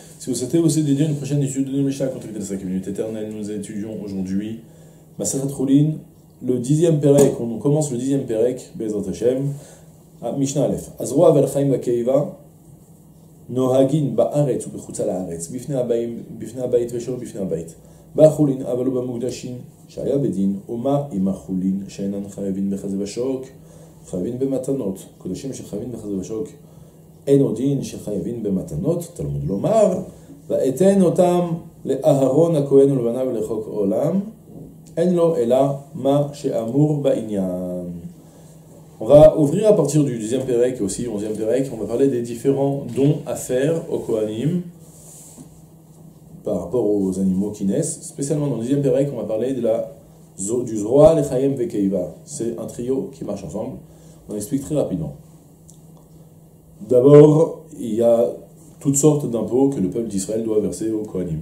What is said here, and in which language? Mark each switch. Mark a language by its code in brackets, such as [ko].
[fr] Si vous souhaitez aussi dédier une prochaine étude de Mishnah contre la 5e minute éternelle, nous étudions aujourd'hui Maseret Choulin, le 10e Perek, on commence le 10e Perek, Bezrat Hashem, à Mishnah Aleph. [he] Azroa Vel Chaim Vakeiva, נוהגין בארץ ובחוצה לארץ, בפני הבאים, בפני הבית ושלא בפני הבית. בא חולין אבל הוא במוקדשין שהיה בדין, ומה עם החולין שאינן חייבין בחזה ושוק? חייבין במתנות. קודשים שחייבין בחזה ושוק, אין עודין שחייבין במתנות, תלמוד לומר, ואתן אותם לאהרון הכהן ולבניו ולחוק עולם, אין לו אלא מה שאמור בעניין. [fr] On va ouvrir à partir du 10e Pérec et aussi 11e Pérec. On va parler des différents dons à faire aux Kohanim par rapport aux animaux qui naissent. Spécialement dans le 10e Pérec, on va parler de la, du Zroa, le Chaim et Keiva. C'est un trio qui marche ensemble. On explique très rapidement. D'abord, il y a toutes sortes d'impôts que le peuple d'Israël doit verser aux Kohanim.